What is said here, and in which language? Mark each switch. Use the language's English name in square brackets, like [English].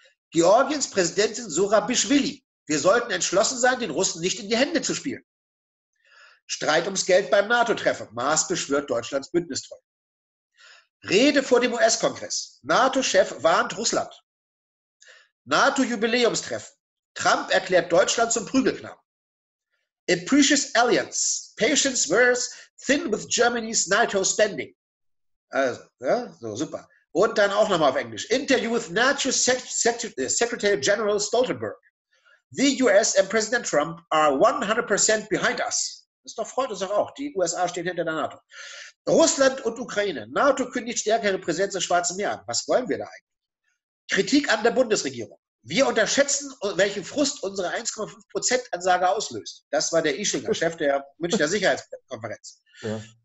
[German] Georgiens Präsidentin Surabishvili. Wir sollten entschlossen sein, den Russen nicht in die Hände zu spielen. Streit ums Geld beim NATO-Treffen. Maas beschwört Deutschlands Bündnistreue. Rede vor dem US-Kongress. NATO-Chef warnt Russland. NATO-Jubiläumstreffen. Trump erklärt Deutschland zum Prügelknaben. [English] A precious alliance. Patience wears thin with Germany's NATO spending. [German] Also, ja, so super. Und dann auch nochmal auf Englisch. [English] Interview with NATO Secretary General Stoltenberg. The US and President Trump are 100% behind us. [German] Das doch freut uns doch auch. Die USA stehen hinter der NATO. Russland und Ukraine. NATO kündigt stärkere Präsenz im Schwarzen Meer an. Was wollen wir da eigentlich? Kritik an der Bundesregierung. Wir unterschätzen, welchen Frust unsere 1,5%-Ansage auslöst. Das war der Ischinger, Chef der Münchner Sicherheitskonferenz. Ja.